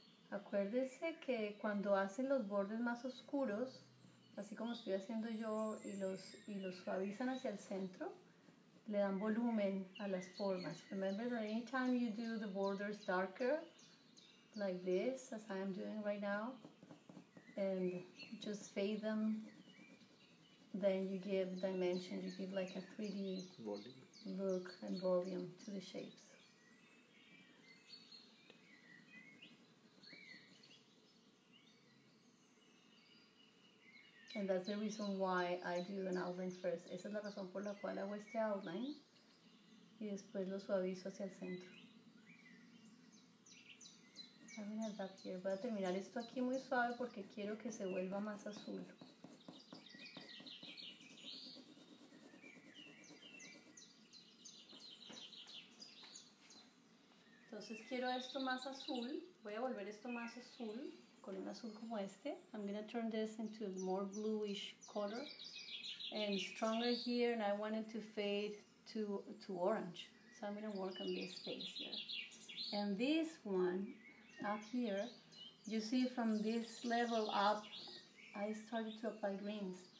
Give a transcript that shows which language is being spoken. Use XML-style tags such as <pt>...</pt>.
<es>Acuérdese que cuando hacen los bordes más oscuros, así como estoy haciendo yo, y los suavizan hacia el centro, le dan volumen a las formas.</es> <en>Remember that anytime you do the borders darker, like this, as I am doing right now, and just fade them, then you give dimension, you give like a 3D volume. Look and volume to the shapes. And that's the reason why I do an outline first.</en> <es>Esa es la razón por la cual hago este outline. Y después lo suavizo hacia el centro. Voy a terminar esto aquí muy suave porque quiero que se vuelva más azul. Entonces quiero esto más azul. Voy a volver esto más azul con un azul como este.</es> <en>I'm going to turn this into a more bluish color and stronger here, and I want it to fade to orange. So I'm going to work on this space here. And this one up here, you see from this level up, I started to apply greens.</en>